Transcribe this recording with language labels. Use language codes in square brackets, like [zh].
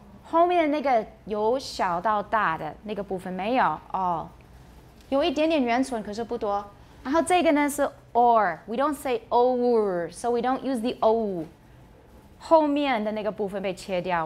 [zh] 后面的那个由小到大的那个部分没有 all. 有一点点元唇，可是不多。然后这个呢是 or. [en] We don't say or, so we don't use the o. [zh] 后面的那个部分被切掉。